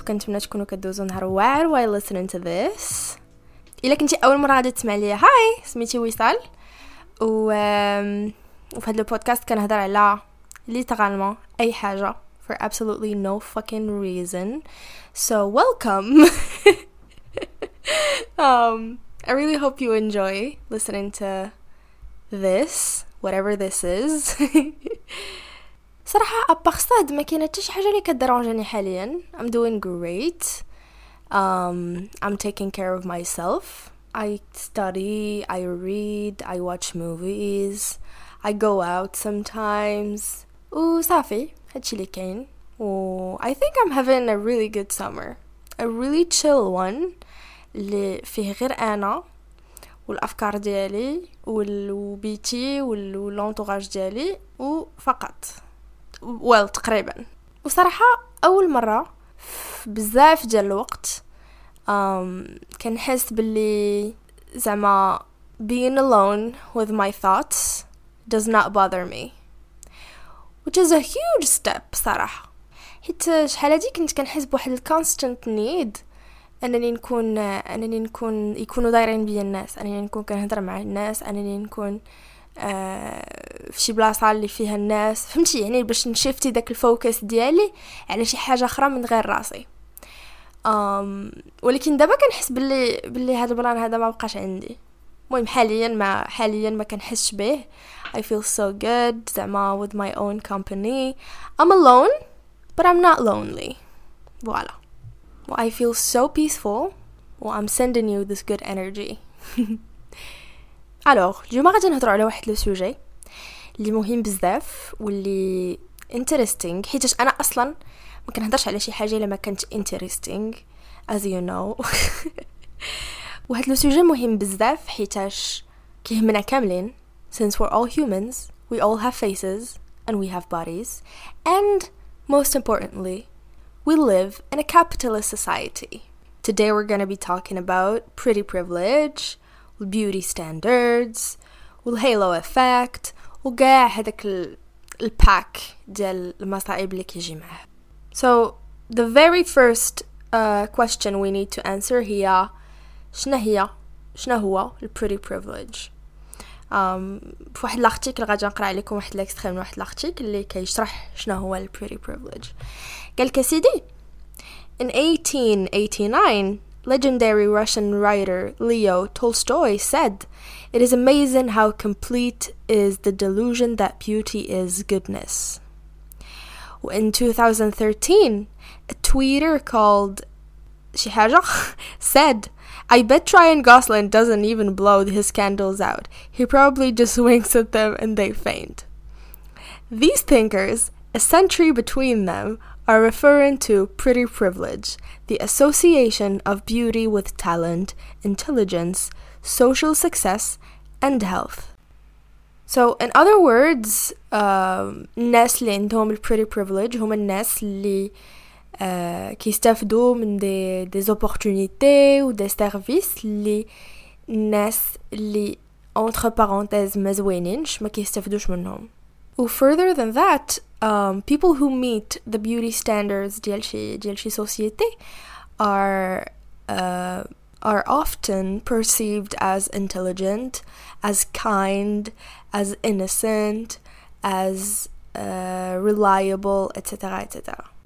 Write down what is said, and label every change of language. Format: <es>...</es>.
<ar>وكنتمنى تكونوا كدوزوا نهار واعر</ar> <en>while listening to this.</en> <ar>الا كنتي اول مره غادي تسمع ليا, هاي, سميتي ويصال. وفي هذا البودكاست كنهضر على literally اي حاجه</ar> <en>for absolutely no fucking reason. So welcome. I really hope you enjoy listening to this, whatever this is.</en> <ar>صراحة أبخصاد ما كانت شي حاجة اللي كدرانجني حاليا.</ar> <en>I'm doing great. I'm taking care of myself. I study, I read, I watch movies, I go out sometimes.</en> <ar>وصافي هادشي اللي كاين.</ar> <en>I think I'm having a really good summer, a really chill one,</en> <ar>اللي فيه غير أنا والأفكار ديالي والبيتي والانتوغاج ديالي وفقط. well, تقريبا. وصراحة أول مرة في بزاف ديال الوقت كنحس باللي زعما</ar> <en>being alone with my thoughts does not bother me, which is a huge step صراحة.</en> <ar>حيت شحال هادي كنت كنحس بواحد الكونستنت نيد انني نكون يكونوا دايرين بيا الناس, انني نكون كنهضر مع الناس, انني نكون في شي بلاصه اللي فيها الناس, فهمتي, يعني باش نشفتي داك الفوكس ديالي على شي حاجه اخرى من غير راسي. ولكن دابا كنحس بلي هذا البلان هذا ما بقاش عندي. المهم حاليا ما كنحسش به.</ar> <en>I feel so good زعما with my own company. I'm alone but I'm not lonely. Voilà. Well, I feel so peaceful. Well, I'm sending you this good energy.</en> <ar>Alors, اليوم غادي نهضروا على واحد لو سوجي اللي مهم بزاف واللي interesting, حيت انا اصلا ما كنهضرش على شي حاجه الا ما كانت interesting,</ar> <en>as you know.</en> <ar>واحد لو سوجي مهم بزاف حيت كيهمنا كاملين,</ar> <en>since we're all humans, we all have faces and we have bodies, and most importantly, we live in a capitalist society. Today we're going to be talking about pretty privilege, beauty standards, والهيلو effect,</en> <ar>وكاع هذاك الباك ديال المصائب اللي كيجي معاه.</ar> <en>So the very first question we need to answer</en> <ar>هي شنو هو</ar> <en>pretty privilege.</en> <ar>فواحد الارتيكل غادي نقرا عليكم واحد الاكستريم واحد الارتيكل اللي كيشرح شنو هو pretty privilege. قالك سيدي,</ar> <en>in 1889, legendary Russian writer Leo Tolstoy said, "It is amazing how complete is the delusion that beauty is goodness." In 2013, a tweeter called Shihajak said, "I bet Ryan Gosling doesn't even blow his candles out. He probably just winks at them and they faint." These thinkers, a century between them, are referring to pretty privilege, the association of beauty with talent, intelligence, social success, and health. So, in other words,</en> <ar>الناس اللي عندهم pretty privilege هم الناس اللي كيستافدوا من</ar> <fr>des opportunités ou des services</fr> <ar>اللي الناس اللي</ar> <fr>entre parenthèses</fr> <ar>مزوينينش ما كيستافدوش منهم.</ar> <en>Well, further than that, people who meet the beauty standards ديال شي society are often perceived as intelligent, as kind, as innocent, as reliable, etc. etc.</en>